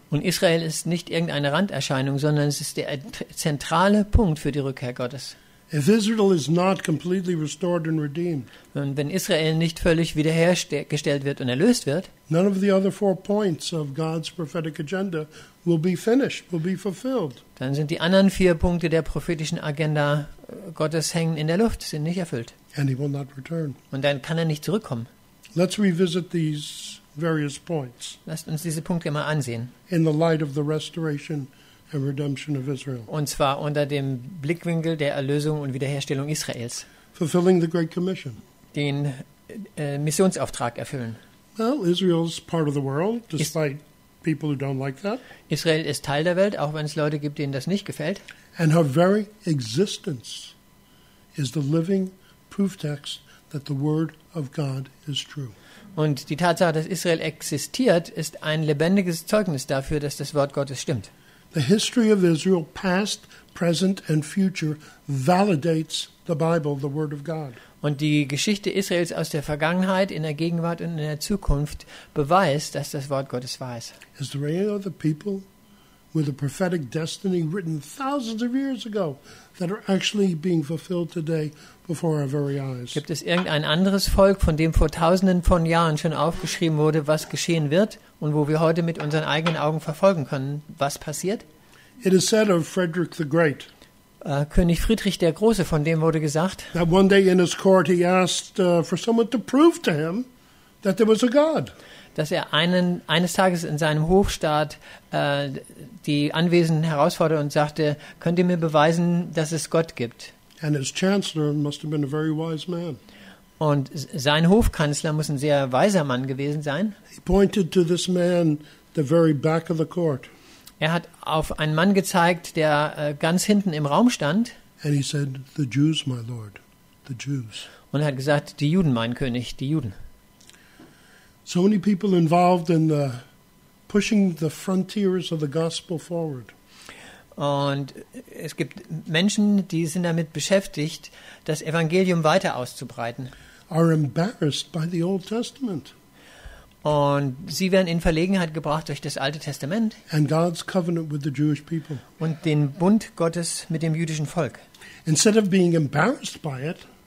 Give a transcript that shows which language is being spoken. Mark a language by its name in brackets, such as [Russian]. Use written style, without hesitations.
[German] Und Israel ist nicht irgendeine Randerscheinung, sondern es ist der zentrale Punkt für die Rückkehr Gottes. [English] If Israel is not completely restored and redeemed, [German] und wenn Israel nicht völlig wiederhergestellt wird und erlöst wird, [English] none of the other four points of God's prophetic agenda will be finished, will be fulfilled. [German] Dann sind die anderen vier Punkte der prophetischen Agenda Gottes hängen in der Luft, sind nicht erfüllt. [English] And he will not return. [German] Und dann kann er nicht zurückkommen. [English] Let's revisit these various points. [German] Lasst uns diese Punkte mal ansehen. [English] In the light of the restoration and redemption of Israel. [German] Und zwar unter dem Blickwinkel der Erlösung und Wiederherstellung Israels. [English] Fulfilling the Great Commission. [German] Den Missionsauftrag erfüllen. [English] Well, Israel's part of the world, despite people who don't like that. [German] Israel ist Teil der Welt, auch wenn es Leute gibt, denen das nicht gefällt. [English] And her very existence is the living proof text that the word of God is true. [German] Und die Tatsache, dass Israel existiert, ist ein lebendiges Zeugnis dafür, dass das Wort Gottes stimmt. [English] The history of Israel, past, present and future, validates the Bible, the word of God. [German] Und die Geschichte Israels aus der Vergangenheit, in der Gegenwart und in der Zukunft beweist, dass das Wort Gottes wahr ist. [English] Is there any other people with a prophetic destiny written thousands of years ago that are actually being fulfilled today before our very eyes? [German] Gibt es irgendein anderes Volk, von dem vor tausenden von Jahren schon aufgeschrieben wurde, was geschehen wird und wo wir heute mit unseren eigenen Augen verfolgen können, was passiert? [English] It is said of Frederick the Great. [German] König Friedrich der Große, von dem wurde gesagt, [English] that one day in his court he asked for someone to prove to him that there was a God. [German] Dass er eines Tages in seinem Hofstaat die Anwesenden herausforderte und sagte, könnt ihr mir beweisen, dass es Gott gibt? [English] And his chancellor must have been a very wise man. [German] Und sein Hofkanzler muss ein sehr weiser Mann gewesen sein. [English] He pointed to this man the very back of the court. [German] Er hat auf einen Mann gezeigt, der ganz hinten im Raum stand. [English] And he said, the Jews, my lord, the Jews. [German] Und er hat gesagt, die Juden, mein König, die Juden. [English] So many people involved in the pushing the frontiers of the gospel forward. [German] Und es gibt Menschen, die sind damit beschäftigt, das Evangelium weiter auszubreiten. [English] Are embarrassed by the Old Testament. [German] Und sie werden in Verlegenheit gebracht durch das Alte Testament. [English] And God's covenant with the Jewish people. [German] Und den Bund Gottes mit dem jüdischen Volk. [English] Instead of being embarrassed by it,